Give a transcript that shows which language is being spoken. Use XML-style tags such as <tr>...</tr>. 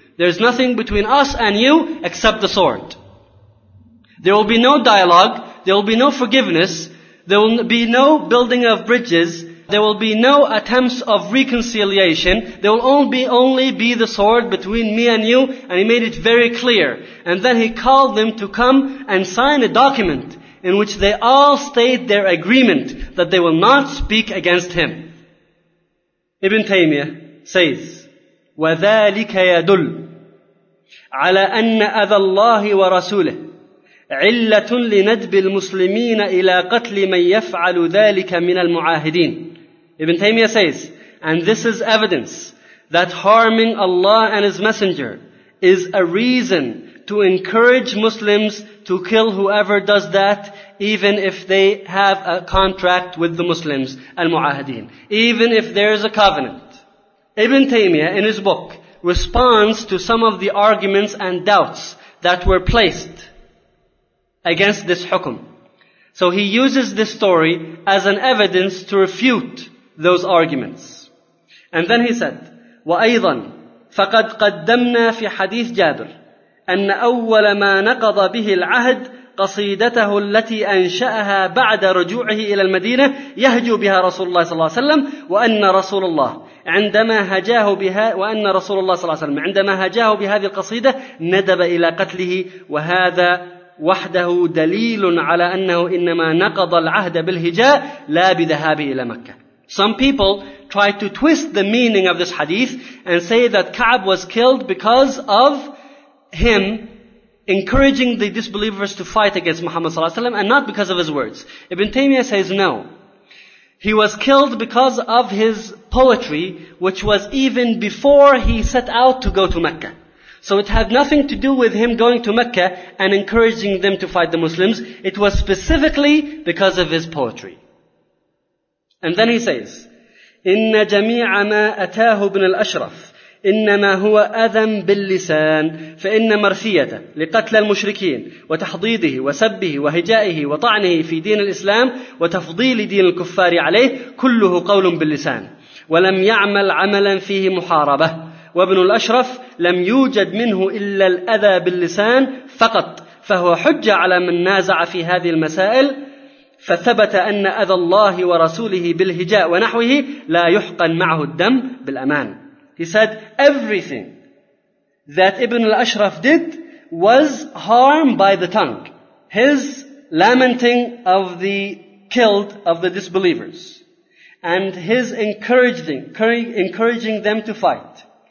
<en>There's nothing between us and you except the sword. There will be no dialogue, there will be no forgiveness, there will be no building of bridges, there will be no attempts of reconciliation, there will only be the sword between me and you, and he made it very clear. And then he called them to come and sign a document in which they all state their agreement that they will not speak against him.</en> <ar>Ibn Taymiyyah says, وَذَلِكَ يَدُلْ عَلَىٰ أَنَّ أَذَى اللَّهِ وَرَسُولِهِ علة لندب المسلمين إلى قتل من يفعل ذلك من المعاهدين.</ar> <en>Ibn Taymiyyah says, and this is evidence that harming Allah and His Messenger is a reason to encourage Muslims to kill whoever does that, even if they have a contract with the Muslims, المعاهدين. Even if there is a covenant. Ibn Taymiyyah, in his book, responds to some of the arguments and doubts that were placed against this hukum. So he uses this story as an evidence to refute those arguments.</en> <ar>And then he said, وَأَيْضًا فَقَدْ قَدَّمْنَا فِي حَدِيثِ جَابِرِ أَنَّ أَوَّلَ مَا نَقَضَ بِهِ الْعَهْدِ قَصِيدَتَهُ الَّتِي أَنْشَأَهَا بَعْدَ رُجُوعِهِ إِلَى الْمَدِينَةِ يَهْجُو بِهَا رَسُولُ اللَّهِ صلى الله عليه وسلم وَأَنَّ رَسُولَ اللَّهِ عندما هجاه بها وَأَنَّ رَسُولَ اللَّهِ صلى الله عليه وسلم عندما هجاه بهذه القصيدة ندب إلى قتله وهذا وحده دليل على أنه إنما نقض العهد بالهجاء لا بذهابه إلى مكة.</ar> <en>Some people try to twist the meaning of this hadith and say that Ka'b was killed because of him encouraging the disbelievers to fight against Muhammad صلى الله عليه وسلم and not because of his words. Ibn Taymiyyah says no. He was killed because of his poetry, which was even before he set out to go to Mecca. So it had nothing to do with him going to Mecca and encouraging them to fight the Muslims. It was specifically because of his poetry.</en> <ar>And then he says, إِنَّ جَمِيعَ مَا أَتَاهُ بْنَ الْأَشْرَفِ إِنَّمَا هُوَ أَذَمْ بِاللِّسَانِ فَإِنَّ مَرْثِيَةَ لِقَتْلَ الْمُشْرِكِينَ وَتَحْضِيدِهِ وَسَبِّهِ وَهِجَائِهِ وَطَعْنِهِ فِي دِينِ الْإِسْلَامِ وَتَفْضِيلِ دِينِ الْكُفَّارِ عَلَيْهِ كُلُّهُ قَوْلٌ بِاللِّسَانِ وَلَمْ يَعْمَلْ عَمَلًا فِيهِ مُحَارَبَةً وابن الأشرف لم يوجد منه إلا الأذى باللسان فقط فهو حجة على من نازع في هذه المسائل فثبت أن أذى الله ورسوله بالهجاء ونحوه لا يحقن معه الدم بالأمان.</ar> <en>He said everything that Ibn al-Ashraf did was harmed by the tongue. His lamenting of the killed of the disbelievers and his encouraging them to fight.</en>